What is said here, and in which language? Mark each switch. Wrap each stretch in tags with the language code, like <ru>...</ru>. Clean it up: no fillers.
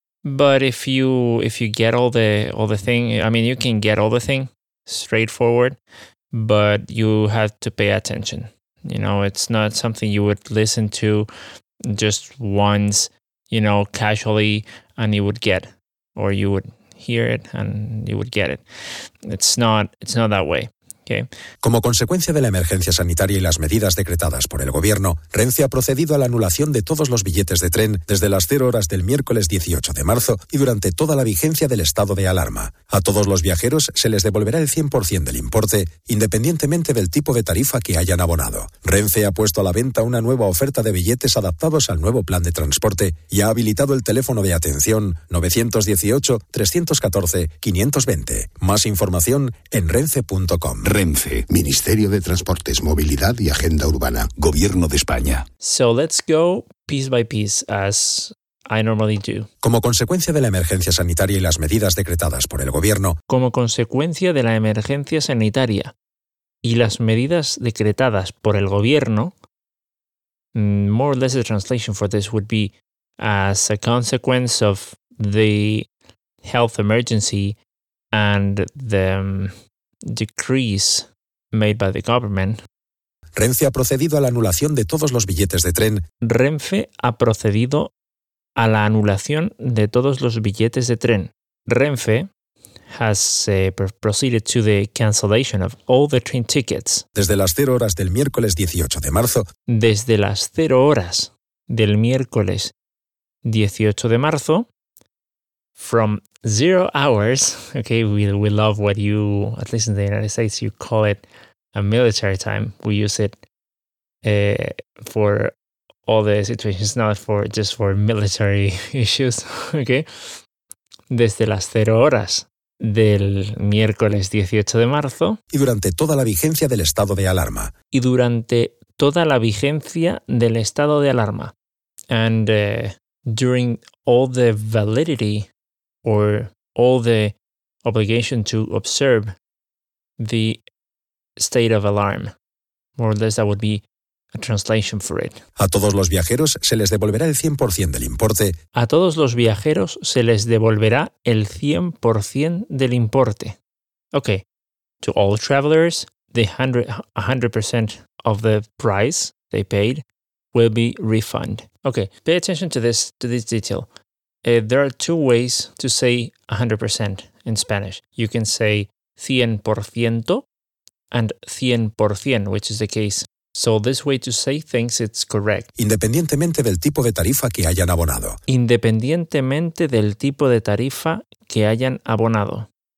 <en>But if you get all the thing, I mean, you can get all the thing straightforward, but you have to pay attention. You know, it's not something you would listen to just once, you know, casually, and you would get, or you would hear it and you would get it. It's not that way. Okay.</en> <es>Como consecuencia de la emergencia sanitaria y las medidas decretadas por el gobierno, Renfe ha procedido a la anulación de todos los billetes de tren desde las 0 horas del miércoles 18 de marzo y durante toda la vigencia del estado de alarma. A todos los viajeros se les devolverá el 100% del importe, independientemente del tipo de tarifa que hayan abonado. Renfe ha puesto a la venta una nueva oferta de billetes adaptados al nuevo plan de transporte y ha habilitado el teléfono de atención 918-314-520. Más información en renfe.com. Renfe, Ministerio de Transportes, Movilidad y Agenda Urbana, Gobierno de España.</es> <en>So let's go piece by piece as I normally do.</en> <es>Como consecuencia de la emergencia sanitaria y las medidas decretadas por el gobierno. Como consecuencia de la emergencia sanitaria y las medidas decretadas por el gobierno.</es> <en>More or less the translation for this would be as a consequence of the health emergency and the decrees made by the government.</en> <es>Renfe ha procedido a la anulación de todos los billetes de tren. Renfe ha procedido a la anulación de todos los billetes de tren.</es> <en>Renfe has proceeded to the cancellation of all the train tickets.</en> <es>Desde las 0 horas del miércoles 18 de marzo. Desde las 0 horas del miércoles 18 de marzo.</es> <en>From 0 hours, okay, we love what you, at least in the United States, you call it a military time. We use it for all the situations, not for just for military issues, okay?</en> <es>Desde las 0 horas del miércoles 18 de marzo. Y durante toda la vigencia del estado de alarma. Y durante toda la vigencia del estado de alarma.</es> <en>And during all the validity or all the obligation to observe the state of alarm. More or less that would be a translation for it.</en> <es>A todos los viajeros se les devolverá el 100% del importe. A todos los viajeros se les devolverá el 100% del importe.</es> <en>Okay. To all travelers, the 100% of the price they paid will be refunded. Okay. Pay attention to this detail. There are two ways to say 100% in Spanish. You can say 100% and 100%, which is the case. So this way to say things, it's correct.</en> <es>Independientemente del tipo de tarifa que hayan abonado. Independientemente del tipo de tarifa que hayan abonado.</es>